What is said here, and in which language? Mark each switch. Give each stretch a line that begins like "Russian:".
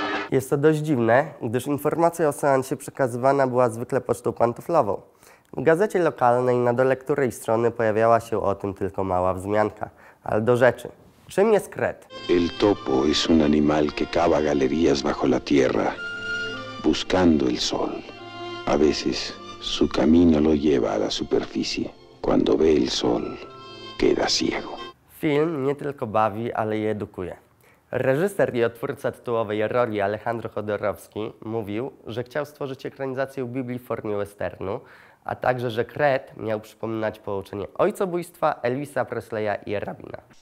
Polish: Jest to dość dziwne, gdyż informacja o seansie przekazywana była zwykle pocztą pantoflową. W gazecie lokalnej na dole której strony pojawiała się o tym tylko mała wzmianka. Ale do rzeczy. Czym jest kret?
Spanish: El topo es un animal que cava galerías bajo la tierra, buscando el sol. A veces su camino lo lleva a la superficie. Cuando ve el sol, queda ciego.
Polish: Film nie tylko bawi, ale i edukuje. Reżyser i otwórca tytułowej roli Alejandro Chodorowski mówił, że chciał stworzyć ekranizację Biblii w formie westernu, a także, że kret miał przypominać połączenie ojcobójstwa Elvisa Presleya i rabina.